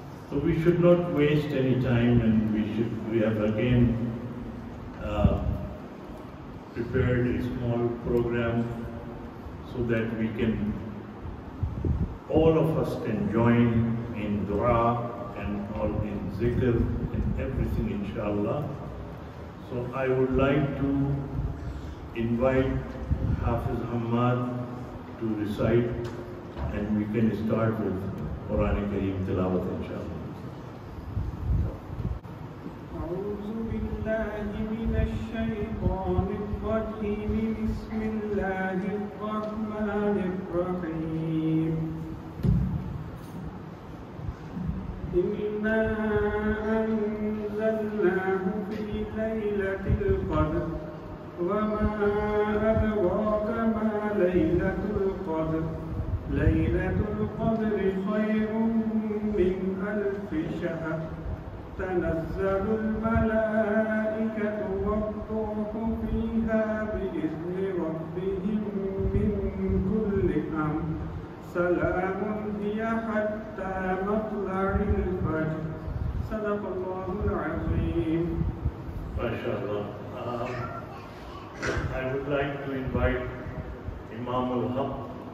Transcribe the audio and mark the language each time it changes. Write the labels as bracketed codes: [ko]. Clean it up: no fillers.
[en] So we should not waste any time, and we have again prepared a small program so that we can, all of us can join in dua and all in zikr and everything, inshallah. So I would like to invite Hafiz Hamad to recite, and we can start with Quran Kareem Tilawat, inshallah. [ar] أعوذ بالله من الشيطان الرجيم بسم الله الرحمن الرحيم إنا أنزلناه في ليلة القدر وما أدراك ما ليلة القدر ليلة القدر خير من ألف شهر تنزل الملائكة والروح فيها بإذن ربهم من كل أمر سلام هي حتى مطلع الفجر صدق الله العظيم. ما شاء الله. [en] I would like to invite Imam al-Haq.